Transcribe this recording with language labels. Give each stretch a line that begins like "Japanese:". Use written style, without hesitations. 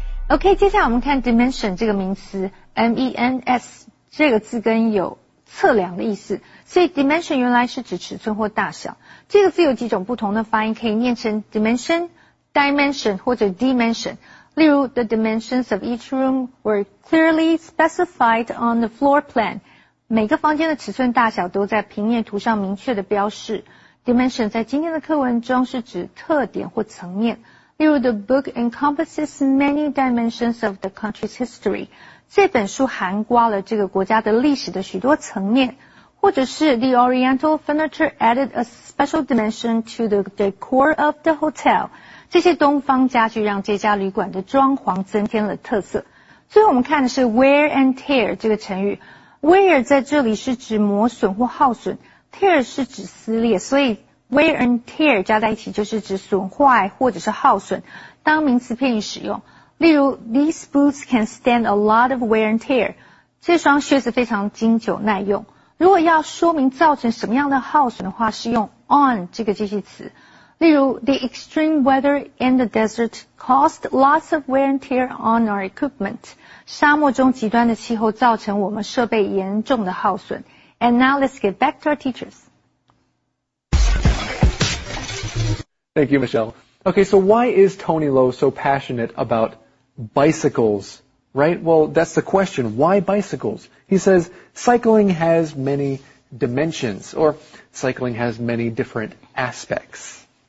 Chinese: OK, 接下来我们看 dimension 这个名词 ,M-E-N-S, 这个字根有测量的意思。所以 dimension 原来是指尺寸或大小。这个字有几种不同的发音，可以念成 dimension, dimension, 或者 dimension。
English: 例如 ,the dimensions of each room were clearly specified on the floor plan.
Chinese: 每个房间的尺寸大小都在平面图上明确的标示。 dimension 在今天的课文中是指特点或层面。
English: 例如 ,the book encompasses many dimensions of the country's history.
Chinese: 这本书涵括了这个国家的历史的许多层面。或者是
English: ,the oriental furniture added a special dimension to the decor of the hotel.
Chinese: 这些东方家具让这家旅馆的装潢增添了特色。最后我们看的是 wear and tear 这个成语。wear 在这里是指磨损或耗损 ,tear 是指撕裂，所以Wear and tear 加在一起就是指损坏或者是耗损，当名词片语使用。
English: 例如 ,these boots can stand a lot of wear and tear.
Chinese: 这双靴子非常经久耐用。如果要说明造成什么样的耗损的话，是用 on 这个介系词。
English: 例如 the extreme weather in the desert caused lots of wear and tear on our equipment.
Chinese: 沙漠中极端的气候造成我们设备严重的耗损。
English: And now let's get back to our teachers. Thank you, Michelle. Okay, so why is Tony Lo so passionate about bicycles, right? Well, that's the question. Why bicycles? He says cycling has many dimensions, or cycling has many different aspects.